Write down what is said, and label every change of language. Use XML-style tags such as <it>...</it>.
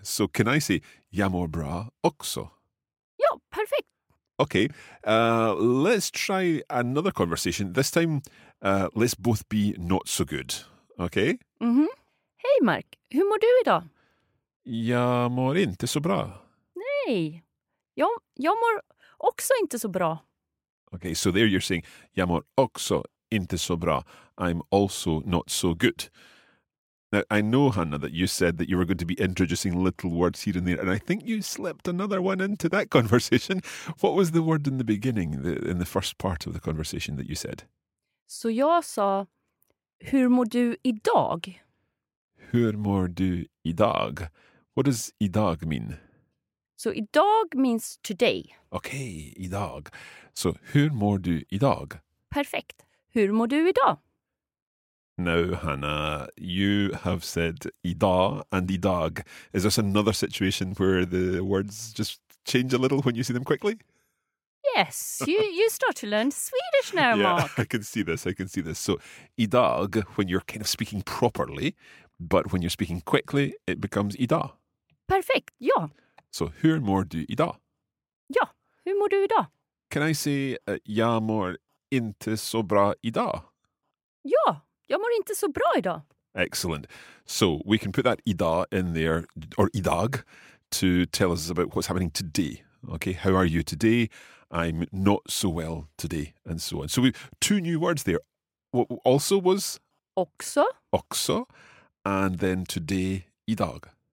<en>So can I say, jag mår bra också?</en> <sv>Ja, perfekt.</sv> <en>Okay, let's try another conversation. This time, let's both be not so good, okay?</en> <sv>Mm-hmm. Hey Mark, hur mår du idag? Jag mår inte så bra. Nej, jag mår också inte så bra.</sv> <en>Okay, so there you're saying, jag mår också inte så bra. I'm also not so good. Now, I know, Hanna, that you said that you were going to be introducing little words here and there, and I think you slipped another one into that conversation. What was the word in the beginning, in the first part of the conversation that you said?</en> <sv>Så jag sa, hur mår du idag?</sv> <en>Hur mår du idag? What does idag mean? So idag means today.</en> <sv>Okay, idag. So hur mår du idag? Perfekt. Hur mår du idag?</sv> <en>Now, Hanna, you have said idag and idag. Is this another situation where the words just change a little when you see them quickly? Yes, you start to learn Swedish now, yeah, Mark. I can see this. So idag, when you're kind of speaking properly, but when you're speaking quickly, it becomes idag. Perfect, ja.</en> <sv>So hur mår du idag? Ja, hur mår du idag? Can I say jag mår inte så bra idag? Ja, jag mår inte så bra idag.</sv> <en>Excellent. So we can put that idag in there, or idag, to tell us about what's happening today. Okay, how are you today? I'm not so well today, and so on. So we two new words there. What also was?</en> <sv>Också.</sv> <en>Också. And then today, idag.</en>